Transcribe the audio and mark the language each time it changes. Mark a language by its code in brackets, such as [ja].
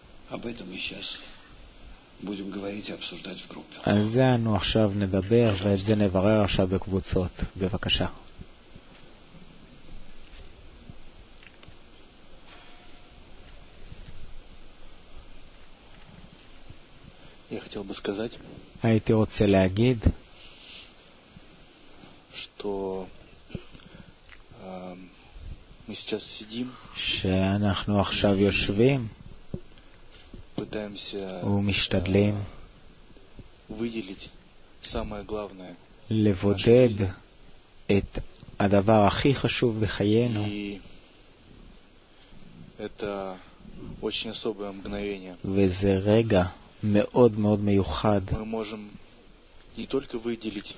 [ru] об этом мы сейчас будем говорить и обсуждать в группе. [he] А זה אנו עכשיו נדבר ואת זה נברר עכשיו בקבוצות. בבקשה. [ru] Я хотел бы сказать. [he] הייתי רוצה להגיד [ru] что мы сейчас сидим. [he] שאנחנו עכשיו יושבים. [ru] пытаемся [he] ומשתדלים [ru] выделить самое главное [he] לבודד את הדבר הכי חשוב בחיינו [ru] это очень особое мгновение [he] וזה רגע מאוד מאוד מיוחד [ru] мы можем не только выделить